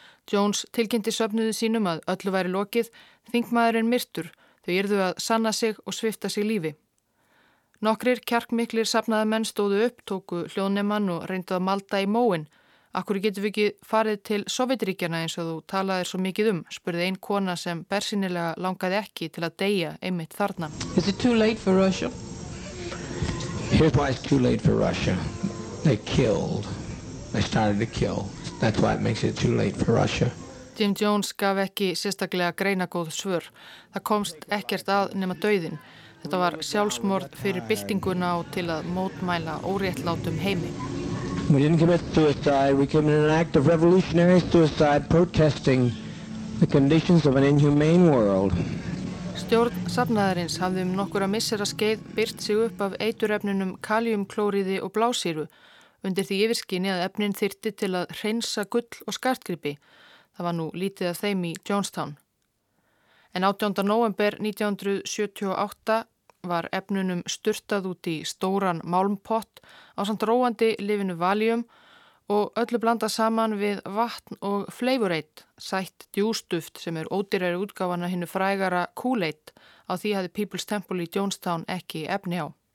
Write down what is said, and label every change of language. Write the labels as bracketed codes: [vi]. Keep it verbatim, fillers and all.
[is] Jones tilkynnti söfnuði sínum að öllu væri lokið, þingmaðurinn myrtur, þau yrðu að sanna sig og svipta sig lífi. Nokkrir kjarkmiklir safnaðarmenn stóðu upp, tóku hljóðnemann og reyndu að malda í móinn. Akkur getum við ekki farið til Sovétríkjana eins og þú talaðir svo mikið um, spurði ein kona sem bersýnilega langaði ekki til að deyja einmitt þarna. [en] Is it too late for Russia? Here's why it's too late for Russia. They killed. They started to kill. That's why it makes it too late for Russia. [is] Jim Jones gaf ekki sérstaklega greinagóð svör. Það komst ekkert að nema dauðinn. Þetta var sjálfsmorð fyrir byltinguna og til að mótmæla óréttlátum heimi. [en] We didn't commit suicide. We committed an act of revolutionary suicide protesting the conditions of an inhumane world. [is] Stjórn safnaðarins hafði um nokkur að missera skeið byrt sig upp af eiturefnunum kaliumklóriði og blásýru undir því yfirskinni að efnin þyrti til að hreinsa gull og skartgripi. Það var nú lítið af þeim í Jonestown. En áttunda nóvember nítján hundruð sjötíu og átta var efnunum sturtað út í stóran málmpott ásamt róandi lifinu Valium og öllu blanda saman við vatn og Flavorade, sætt djústuft sem er ódýrari útgáfan af hinu frægara Kool-Aid, á því hafði People's Temple í Jonestown ekki efni á.